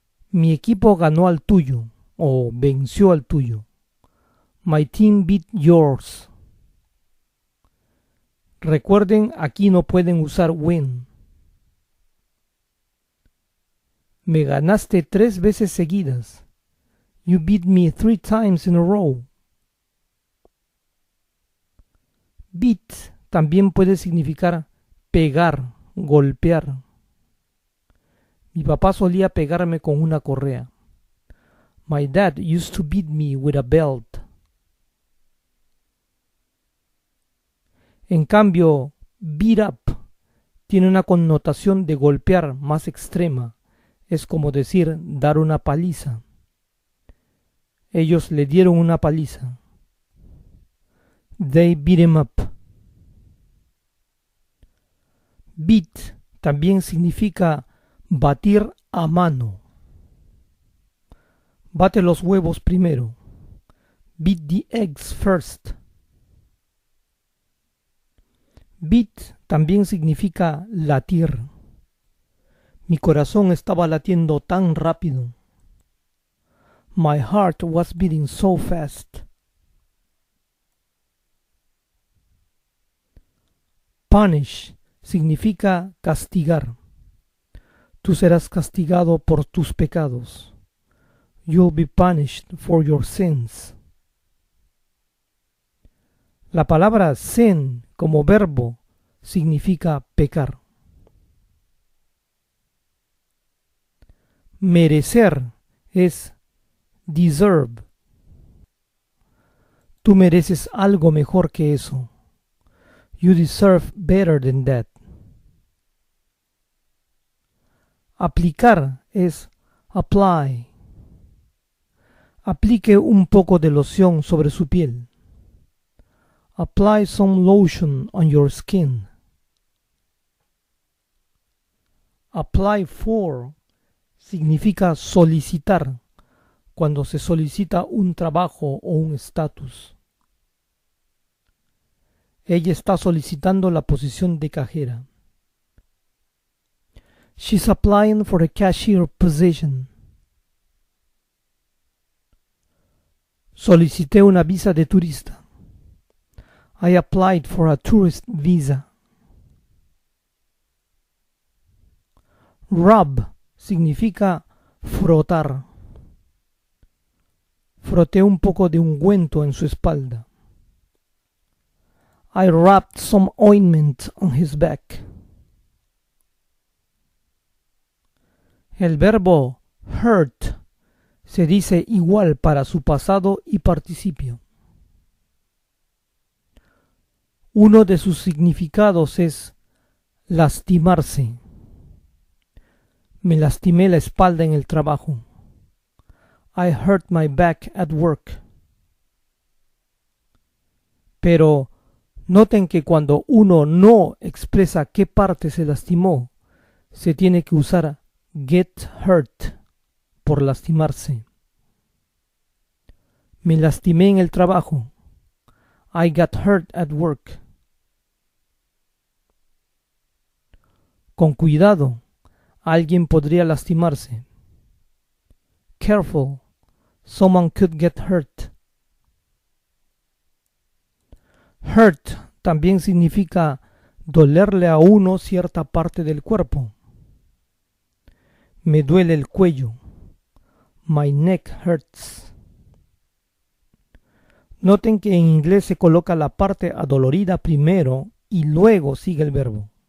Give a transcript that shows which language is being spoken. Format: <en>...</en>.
<es>Mi equipo ganó al tuyo o venció al tuyo.</es> <en>My team beat yours.</en> <es>Recuerden, aquí no pueden usar win. Me ganaste 3 veces seguidas.</es> <en>You beat me 3 times in a row.</en> <es>Beat también puede significar pegar, golpear. Mi papá solía pegarme con una correa.</es> <en>My dad used to beat me with a belt.</en> <es>En cambio, beat up tiene una connotación de golpear más extrema. Es como decir dar una paliza. Ellos le dieron una paliza.</es> <en>They beat him up.</en> <es>Beat también significa batir a mano. Bate los huevos primero.</es> <en>Beat the eggs first.</en> <es>Beat también significa latir. Mi corazón estaba latiendo tan rápido.</es> <en>My heart was beating so fast.</en> <es>Punish significa castigar. Tú serás castigado por tus pecados.</es> <en>You'll be punished for your sins.</en> <es>La palabra sin como verbo significa pecar. Merecer es deserve. Tú mereces algo mejor que eso.</es> <en>You deserve better than that.</en> <es>Aplicar es apply. Aplique un poco de loción sobre su piel.</es> <en>Apply some lotion on your skin.</en> <es>Apply for significa solicitar cuando se solicita un trabajo o un estatus. Ella está solicitando la posición de cajera.</es> <en>She's applying for a cashier position.</en> <es>Solicité una visa de turista.</es> <en>I applied for a tourist visa.</en> <es>Rub significa frotar. Froté un poco de ungüento en su espalda.</es> <en>I rubbed some ointment on his back.</en> <es>El verbo hurt se dice igual para su pasado y participio. Uno de sus significados es lastimarse. Me lastimé la espalda en el trabajo.</es> <en>I hurt my back at work.</en> <es>Pero noten que cuando uno no expresa qué parte se lastimó, se tiene que usar get hurt por lastimarse. Me lastimé en el trabajo.</es> <en>I got hurt at work.</en> <es>Con cuidado, alguien podría lastimarse.</es> <en>Careful, someone could get hurt.</en> <es>Hurt también significa dolerle a uno cierta parte del cuerpo. Me duele el cuello.</es> <en>My neck hurts.</en> <es>Noten que en inglés se coloca la parte adolorida primero y luego sigue el verbo.</es>